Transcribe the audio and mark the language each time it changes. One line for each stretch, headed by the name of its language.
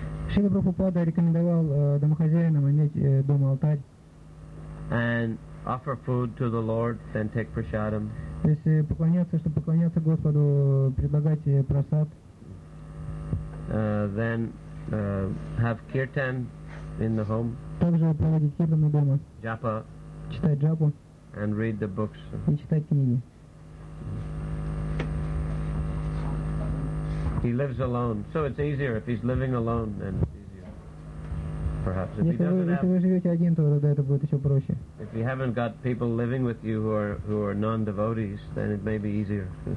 Russian: Шрила Прабхупада рекомендовал домохозяинам иметь дома алтарь.
English: And offer food to the Lord, then take prasadam.
Russian: То есть поклоняться, чтобы поклоняться Господу, предлагать прасад.
English: Then have kirtan in the home.
Russian: Также проводить кирпаны дома.
English: Japa.
Russian: Читать джапу.
English: And read the books.
Russian: И читать книги.
English: He lives alone, so it's easier if he's living alone. Then it's easier. Perhaps if
Russian: если
English: he doesn't
Russian: вы,
English: have.
Russian: Если вы живете один, то тогда это будет еще проще.
English: If you haven't got people living with you who are non-devotees, then it may be easier.